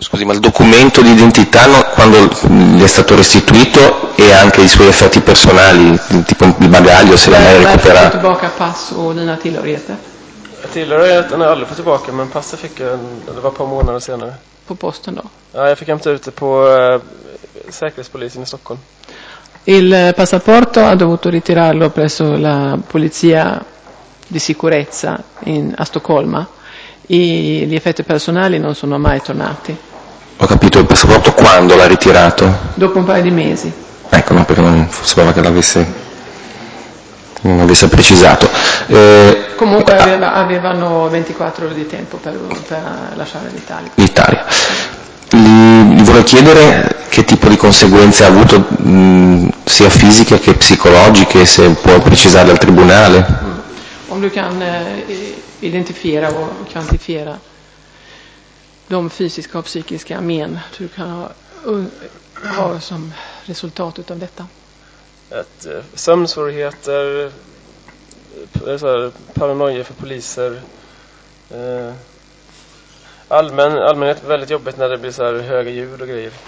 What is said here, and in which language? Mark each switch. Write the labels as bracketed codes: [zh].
[it] Scusi, ma il documento di identità, no, quando gli è stato restituito, e anche i suoi effetti personali, tipo il bagaglio, se l'ha mai recuperato? [sv] Fatto tillbaka pass och dina tillhörigheter? Tillhörigheterna har aldrig fått tillbaka, men passet fick jag, det var ett par månader senare. På posten då? Ja, jag fick hämta ut det på säkerhetspolisen i Stockholm. [it] Il passaporto ha dovuto ritirarlo presso la polizia di sicurezza a Stoccolma. Gli effetti personali non sono mai tornati. Ho capito, il passaporto quando l'ha ritirato? Dopo un paio di mesi. Ecco, no, perché non sapeva che l'avesse, non avesse precisato. Comunque avevano 24 ore di tempo per lasciare l'Italia. L'Italia. Gli vorrei chiedere che tipo di conseguenze ha avuto, sia fisiche che psicologiche, se può precisare al tribunale. [sv] Om du kan identifiera och kvantifiera de fysiska och psykiska men du kan ha som resultat utav detta. Ett sömnsvårigheter, så här, paranoia för poliser, allmänhet väldigt jobbigt när det blir så här höga ljud och grejer.